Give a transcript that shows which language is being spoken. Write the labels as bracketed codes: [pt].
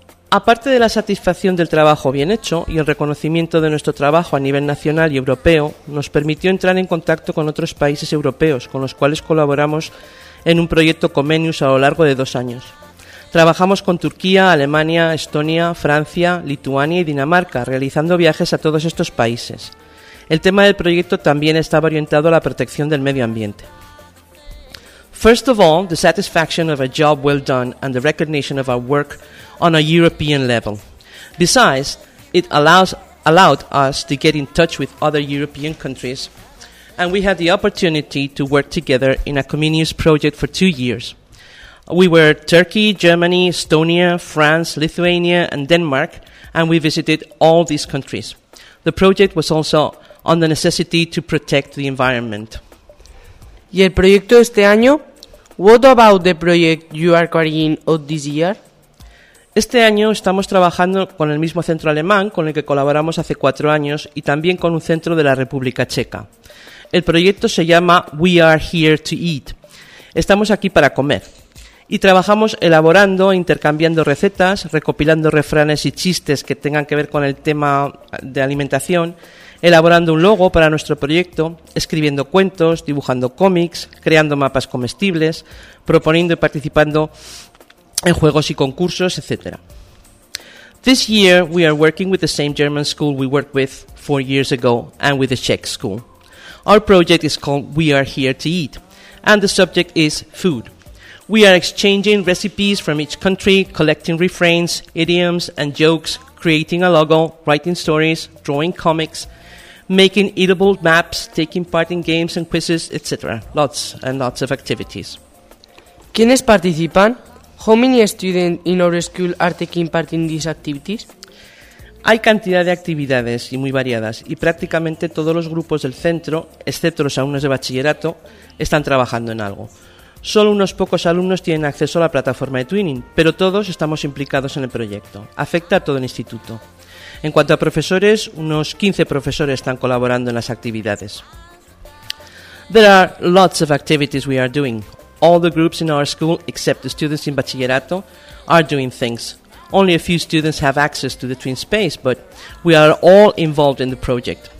[es] Aparte de la satisfacción del trabajo bien hecho y el reconocimiento de nuestro trabajo a nivel nacional y europeo, nos permitió entrar en contacto con otros países europeos con los cuales colaboramos en un proyecto Comenius a lo largo de 2 años. Trabajamos con Turquía, Alemania, Estonia, Francia, Lituania y Dinamarca, realizando viajes a todos estos países. El tema del proyecto también estaba orientado a la protección del medio ambiente. [en] First of all, the satisfaction of a job well done and the recognition of our work on a European level. Besides, it allowed us to get in touch with other European countries, and we had the opportunity to work together in a Comenius project for 2 years. We were Turkey, Germany, Estonia, France, Lithuania, and Denmark, and we visited all these countries. The project was also on the necessity to protect the environment. [es] ¿Y el proyecto este año? [en] What about the project you are carrying out this year? [es] Este año estamos trabajando con el mismo centro alemán con el que colaboramos hace 4 años y también con un centro de la República Checa. El proyecto se llama We Are Here to Eat. Estamos aquí para comer. Y trabajamos elaborando e intercambiando recetas, recopilando refranes y chistes que tengan que ver con el tema de alimentación, elaborando un logo para nuestro proyecto, escribiendo cuentos, dibujando cómics, creando mapas comestibles, proponiendo y participando en juegos y concursos, etc. [en] This year we are working with the same German school we worked with 4 years ago and with the Czech school. Our project is called We Are Here to Eat and the subject is food. We are exchanging recipes from each country, collecting refrains, idioms and jokes, creating a logo, writing stories, drawing comics, making eatable maps, taking part in games and quizzes, etc. Lots and lots of activities. [es] ¿Quiénes participan? [en] How many students in our school are taking part in these activities? [es] Hay cantidad de actividades y muy variadas, y prácticamente todos los grupos del centro, excepto los alumnos de bachillerato, están trabajando en algo. Solo unos pocos alumnos tienen acceso a la plataforma de Twinning, pero todos estamos implicados en el proyecto. Afecta a todo el instituto. En cuanto a profesores, unos 15 profesores están colaborando en las actividades. [en] There are lots of activities we are doing. All the groups in our school, except the students in bachillerato, are doing things. Only a few students have access to the twin space, but we are all involved in the project.